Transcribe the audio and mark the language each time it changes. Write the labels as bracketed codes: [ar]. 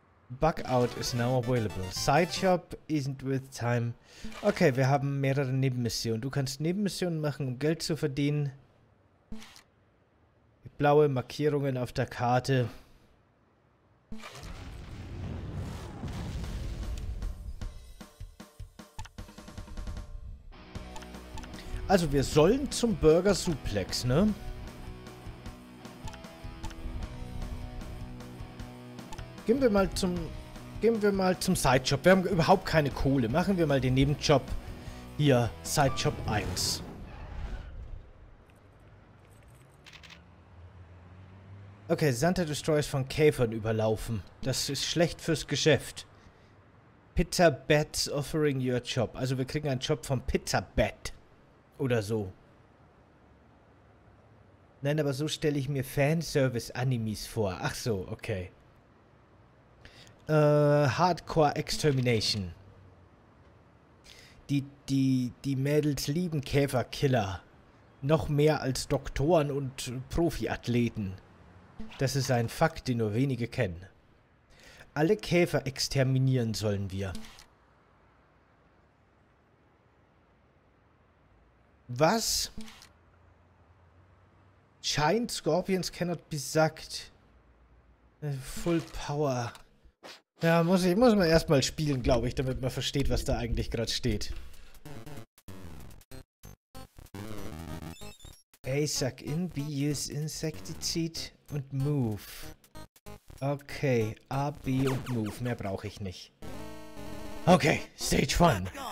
[en] Bugout is now available. Sidejob isn't worth time. [de] Okay, wir haben mehrere Nebenmissionen. Du kannst Nebenmissionen machen, um Geld zu verdienen. Blaue Markierungen auf der Karte. Also wir sollen zum Burger Suplex, ne? Gehen wir mal zum Sidejob. Wir haben überhaupt keine Kohle. Machen wir mal den Nebenjob hier, Sidejob 1. Okay, Santa Destroyer ist von Käfern überlaufen. Das ist schlecht fürs Geschäft. [en] Pizza Bats offering your job. [de] Also wir kriegen einen Job vom Pizza Bat. Oder so. Nein, aber so stelle ich mir Fanservice-Animes vor. Ach so, okay. [en] Hardcore Extermination. [de] Die Mädels lieben Käferkiller. Noch mehr als Doktoren und Profiathleten. Das ist ein Fakt, den nur wenige kennen. Alle Käfer exterminieren sollen wir. Was? [en] Giant Scorpions cannot be sucked. Full power. [de] Ja, muss man erstmal spielen, glaube ich, damit man versteht, was da eigentlich gerade steht. [en] A suck in, B use insecticide und move. [de] Okay, A, B und move. Mehr brauche ich nicht. Okay, stage 1.